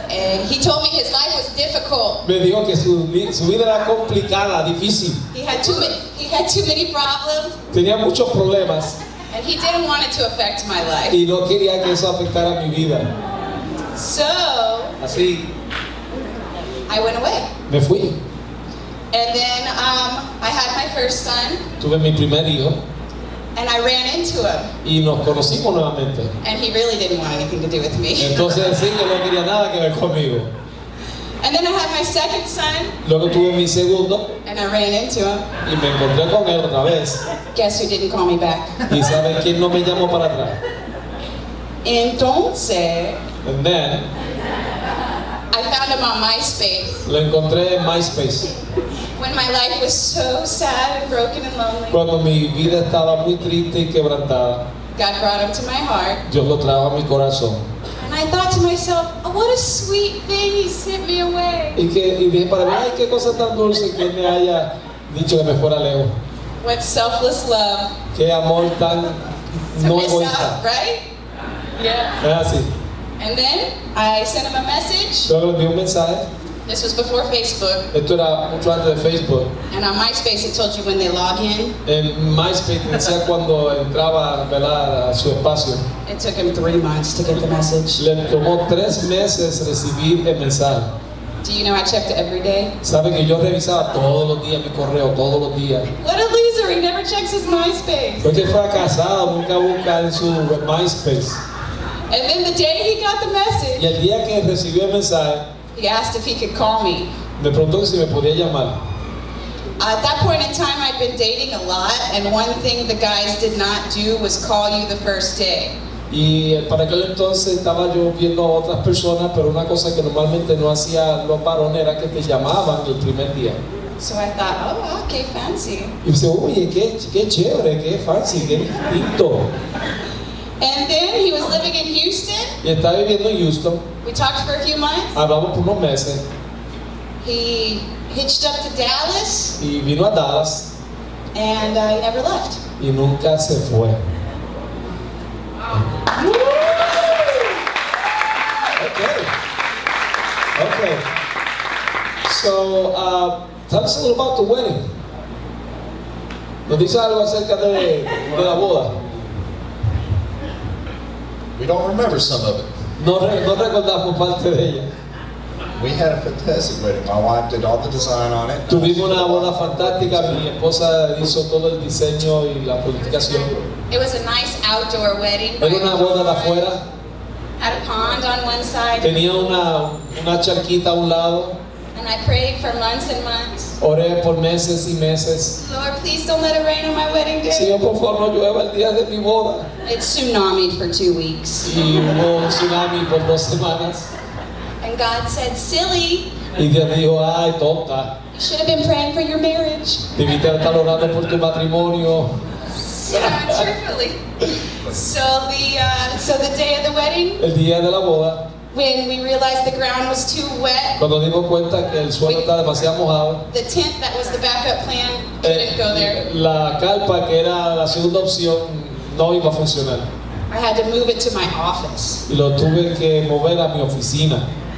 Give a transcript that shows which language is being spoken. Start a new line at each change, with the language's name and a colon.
English: And he told me his life was difficult.
Spanish: Me dijo que su vida era complicada, difícil.
English: He had too many problems.
Spanish: Tenía muchos problemas.
English: And he didn't want it to affect my life.
Spanish: Y no quería que eso afectara mi vida.
English: So.
Spanish: Así.
English: I went away.
Spanish: Me fui.
English: And then I had my first son.
Spanish: Tuve mi primer hijo.
English: And I ran into him.
Spanish: Y nos conocimos nuevamente.
English: And he really didn't want anything to do with me.
Spanish: Entonces el señor no quería nada que ver conmigo.
English: And then I had my second son.
Spanish: Luego tuve mi segundo.
English: And I ran into him.
Spanish: Y me encontré con él otra vez.
English: Guess who didn't call me back?
Spanish: ¿Y sabes quién no me llamó para atrás? Entonces.
English: And then. I found him on MySpace.
Spanish: Lo encontré en MySpace.
English: When my life was so sad and broken and lonely.
Spanish: Cuando mi vida estaba muy triste y quebrantada.
English: God brought him to my heart.
Spanish: Dios lo trajo a mi corazón.
English: I thought to myself, oh, what a sweet thing he sent me away.
Spanish: Y que, y dije para mí, ay, qué cosa tan dulce que me haya dicho que me fuera lejos.
English: What selfless love.
Spanish: Qué amor tan no egoísta.
English: Right? Yeah.
Spanish: Es así.
English: And then I sent him a message.
Spanish: Luego le envié un mensaje.
English: This was before Facebook.
Spanish: Esto era mucho antes de Facebook.
English: And on MySpace it told you when they log in.
Spanish: En MySpace decía cuando entraba, ¿verdad?, a su espacio.
English: It took him 3 months to get the message.
Spanish: Le tomó 3 meses recibir el mensaje.
English: Do you know I checked every day?
Spanish: ¿Sabe que yo revisaba todos los días mi correo, todos los días?
English: What a loser, he never checks his MySpace.
Spanish: Porque fracasado, nunca busca en su MySpace.
English: And then the day he got the message.
Spanish: Y el día que recibió el mensaje.
English: He asked if he could call me.
Spanish: Me preguntó si me podía llamar.
English: At that point in time, I'd been dating a lot, and one thing the guys did not do was call you the first day.
Spanish: Y para aquel entonces estaba yo viendo a otras personas, pero una cosa que normalmente no hacía los varones era que te llamaban el primer día.
English: So I thought, oh, okay, fancy.
Spanish: Y dice, oye, qué chévere, qué fancy, qué distinto.
English: And then he was living in Houston.
Spanish: Y estaba viviendo en Houston.
English: We talked for a few months.
Spanish: Hablamos por unos meses.
English: He hitched up to Dallas.
Spanish: Y vino a Dallas.
English: And he never left.
Spanish: Y nunca se fue.
English: Okay. So, tell us a little about the wedding.
Spanish: ¿Nos dice algo acerca de la boda?
English: We don't remember some of it.
Spanish: No recordamos parte de ella.
English: We had a fantastic wedding. My wife did all the design on it.
Spanish: Tuvimos una boda fantástica. Mi esposa hizo todo el diseño y la planificación.
English: It was a nice outdoor wedding.
Spanish: Era una boda de afuera.
English: Had a pond on one side.
Spanish: Tenía una charquita a un lado.
English: And I prayed for months and months.
Spanish: Oré por meses y meses.
English: Lord, please don't let it rain on my wedding day.
Spanish: Señor, por favor, no llueva el día de mi boda.
English: It tsunamied for 2 weeks.
Spanish: Y hubo un tsunami por 2 semanas.
English: And God said, silly.
Spanish: Y Dios dijo, ay, tonta.
English: You should have been praying for your marriage.
Spanish: Debiste estar orando por tu matrimonio.
English: Yeah, cheerfully. So the day of the wedding.
Spanish: El día de la boda.
English: When we realized the ground was too wet.
Spanish: Cuando dimos cuenta que el suelo estaba demasiado mojado.
English: The tent that was the backup plan couldn't go there.
Spanish: La carpa que era la segunda opción no iba a funcionar.
English: I had to move it to my office.
Spanish: Y lo tuve que mover a mi oficina.